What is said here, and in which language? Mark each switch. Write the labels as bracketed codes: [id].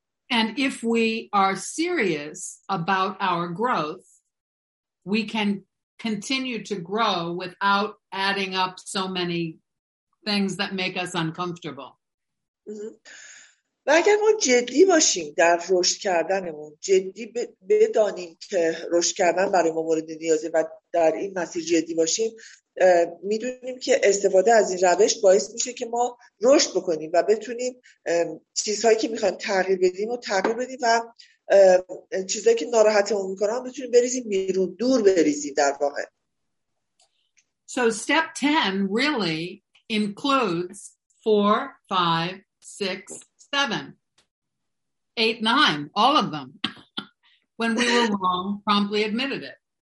[en] And if we are serious about our growth, we can continue to grow without adding up so many things that make us uncomfortable. [fa] و اگر ما جدی باشیم در رشد کردنمون، جدی بدانیم که رشد کردن برای ما مورد نیازه و در این مسیر جدی باشیم، میدونیم که استفاده از این روش باعث میشه که ما رشد بکنیم و بتونیم چیزهایی که میخوایم تغییر بدیم و تغییر بدیم و چیزایی که ناراحتمون میکنن بتونیم بریزیم بیرون، دور بریزیم در واقع. [en] So step 10 really includes 4, 5, 6, 7, 8, 9, all of them. When we were wrong, promptly admitted it.